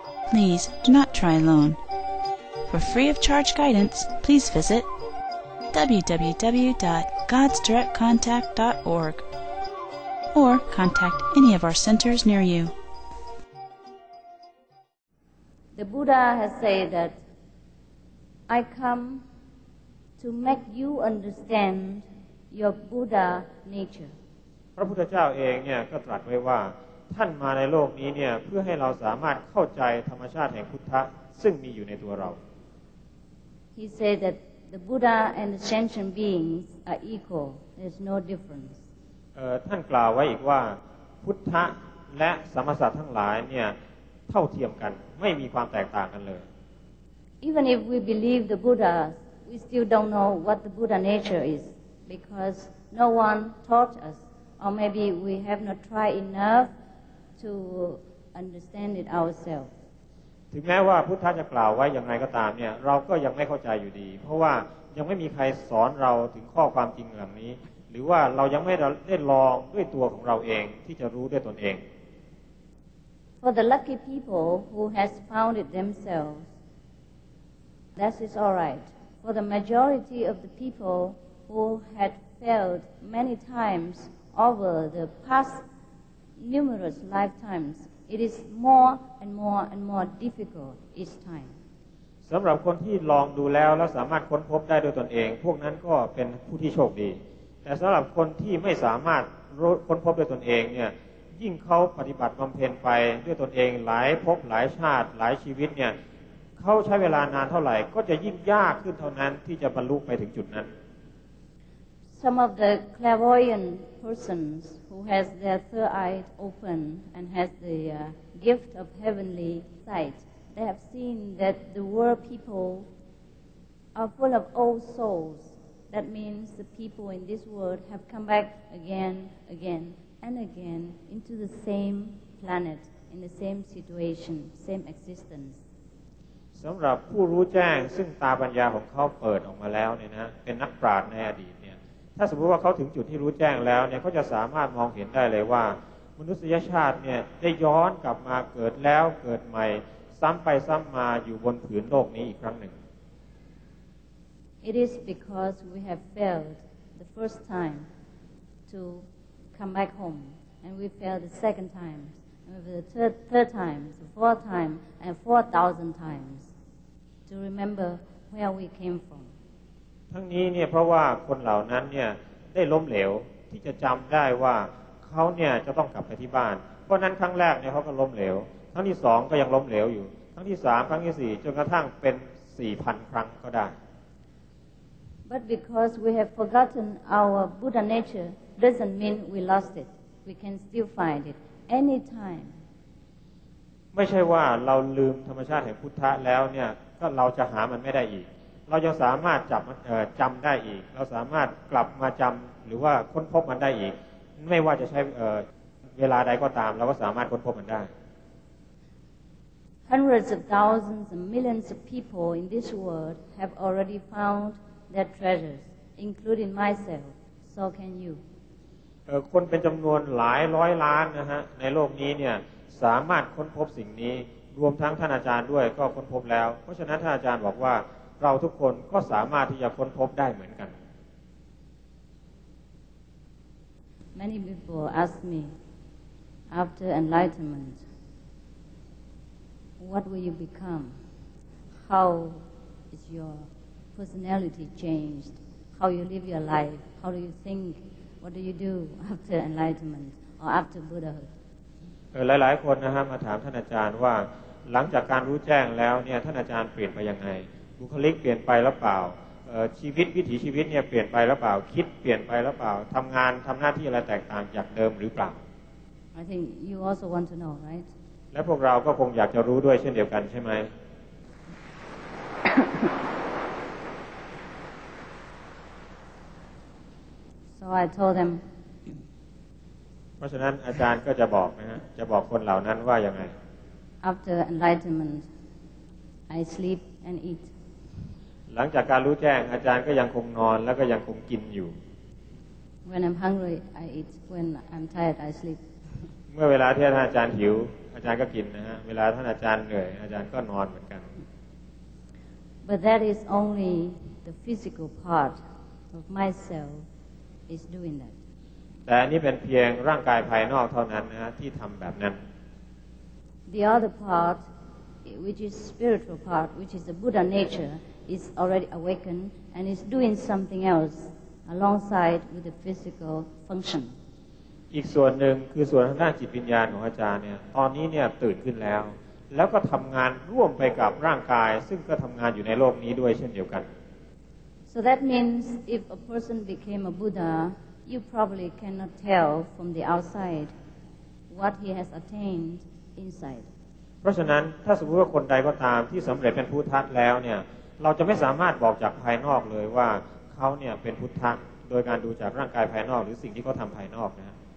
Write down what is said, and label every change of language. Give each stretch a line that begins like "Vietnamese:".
English: Please do not try alone. For free of charge guidance, please visit www.godsdirectcontact.org or contact any of our centers near you. The Buddha has said that I come to make you understand your Buddha nature.
Thai: พระพุทธเจ้าเองเนี่ยก็ตรัสไว้ว่าท่านมาในโลกนี้เนี่ยเพื่อให้เราสามารถเข้าใจธรรมชาติแห่งพุทธะซึ่งมีอยู่ในตัวเรา
English: He said that the Buddha and the sentient beings are equal. There's no difference.
Thai: ท่านกล่าวไว้อีกว่าพุทธะและสัมมาสัตว์ทั้งหลายเนี่ยเท่าเทียมกันไม่มีความแตกต่างกันเลย
English: Even if we believe the Buddha, we still don't know what the Buddha nature is because no one taught us. Or maybe we have not tried enough to understand it ourselves.
Thai: ถึงแม้ว่าพุทธะจะกล่าวไว้อย่างไรก็ตามเนี่ยเราก็ยังไม่เข้าใจอยู่ดีเพราะว่ายังไม่มีใครสอนเราถึงข้อความจริงเหล่านี้หรือว่าเรายังไม่ได้ลองด้วยตัวของเราเองที่จะรู้ด้วยตนเอง
English: For the lucky people who has found it themselves, that is all right. For the majority of the people who had failed many times. Over the past numerous lifetimes, it is more and more and more difficult each time.
Thai: สำหรับคนที่ลองดูแล้วแล้วสามารถค้นพบได้ด้วยตนเองพวกนั้นก็เป็นผู้ที่โชคดีแต่สำหรับคนที่ไม่สามารถค้นพบด้วยตนเองเนี่ยยิ่งเขาปฏิบัติบำเพ็ญไปด้วยตนเองหลายภพหลายชาติหลายชีวิตเนี่ยเขาใช้เวลานานเท่าไหร่ก็จะยิ่งยากขึ้นเท่านั้นที่จะบรรลุไปถึงจุดนั้น
English: Some of the clairvoyant persons who has their third eye open and has the gift of heavenly sight, they have seen that the world people are full of old souls. That means the people in this world have come back again, again, and again into the same planet, in the same situation, same existence.
Thai: สำหรับผู้รู้แจ้งซึ่งตาปัญญาของเขาเปิดออกมาแล้วเนี่ยนะเป็นนักปราชญ์ในอดีตเนี่ย ถ้าสมมติว่าเขาถึงจุดที่รู้แจ้งแล้วเนี่ยเขาจะสามารถมองเห็นได้เลยว่ามนุษยชาติเนี่ยได้ย้อนกลับมาเกิดแล้วเกิดใหม่ซ้ำไปซ้ำมาอยู่บนผืนโลกนี้อีกครั้งหนึ่ง
English: It is because we have failed the first time to come back home and we failed the second time and the third time the fourth time and 4,000 times to remember where we came from
Thai: ทั้งนี้เนี่ยเพราะว่าคนเหล่านั้นเนี่ยได้ล้มเหลวที่จะจำได้ว่าเขาเนี่ยจะต้องกลับไปที่บ้านเพราะนั้นครั้งแรกเนี่ยเขาก็ล้มเหลวครั้งที่สองก็ยังล้มเหลวอยู่ครั้งที่สามครั้งที่สี่จนกระทั่งเป็น 4,000 ครั้งก็ได้
English: But because we have forgotten our Buddha nature doesn't mean we lost it. We can still find it anytime.
Thai: ไม่ใช่ว่าเราลืมธรรมชาติแห่งพุทธะแล้วเนี่ยก็เราจะหามันไม่ได้อีกเรายังสามารถจับจำได้อีกเราสามารถกลับมาจำหรือว่าค้นพบมันได้อีกไม่ว่าจะใช้เวลาใดก็ตามเราก็สามารถค้นพบมันได้
English: Hundreds of thousands and millions of people in this world have already found their treasures including myself so can you
Thai: คนเป็นจำนวนหลายร้อยล้านนะฮะในโลกนี้เนี่ยสามารถค้นพบสิ่งนี้รวมทั้งท่านอาจารย์ด้วยก็ค้นพบแล้วเพราะฉะนั้นท่านอาจารย์บอกว่าเราทุกคนก็สามารถที่จะค้นพบได้เหมือนกัน
English: Many people ask me after enlightenment, what will you become? How is your personality changed? How you live your life? How do you think? What do you do after enlightenment or after Buddhahood?
Thai: หลายๆคนนะฮะมาถามท่านอาจารย์ว่าหลังจากการรู้แจ้งแล้วเนี่ยท่านอาจารย์เปลี่ยนไปยังไงบุคลิกเปลี่ยนไปหรือเปล่าชีวิตวิถีชีวิตเนี่ยเปลี่ยนไปหรือเปล่าคิดเปลี่ยนไปหรือเปล่าทำงานทำหน้าที่อะไรแตกต่างจากเดิมหรือเปล่า
English: I think you also want to know right
Thai: และพวกเราก็คงอยากจะรู้ด้วยเช่นเดียวกันใช่ไหม
English: So I told them
Thai: เพราะฉะนั้นอาจารย์ก็จะบอกนะฮะจะบอกคนเหล่านั้นว่ายังไง
English: After enlightenment I sleep and eat
Thai: หลังจากการรู้แจ้งอาจารย์ก็ยังคงนอนแล้วก็ยังคงกินอยู่
English: When I'm hungry I eat When I'm tired I sleep
Thai: เมื่อเวลาที่ท่านอาจารย์หิวอาจารย์ก็กินนะฮะเวลาท่านอาจารย์เหนื่อยอาจารย์ก็นอนเหมือนกัน
English: But that is only the physical part of myself is doing that
Thai: แต่อันนี้เป็นเพียงร่างกายภายนอกเท่านั้นนะฮะที่ทำแบบนั้น
English: The other part which is spiritual part which is the Buddha natureIs already awakened and is doing something else alongside with the physical function.
Thai: อีกส่วนหนึ่งคือส่วนทางด้านจิตวิญญาณของอาจารย์เนี่ยตอนนี้เนี่ยตื่นขึ้นแล้วแล้วก็ทำงานร่วมไปกับร่างกายซึ่งก็ทำงานอยู่ในโลกนี้ด้วยเช่นเดียวกัน
English: So that means if a person became a Buddha, you probably cannot tell from the outside what he has attained inside.
Thai: เพราะฉะนั้นถ้าสมมติว่าคนใดก็ตามที่สำเร็จเป็นพุทธะแล้วเนี่ยเราจะไม่สามารถบอกจากภายนอกเลยว่าเขาเนี่ยเป็นพุทธะโดยการดูจากร่างกายภายนอกหรือสิ่งที่เขาทำภายนอกนะ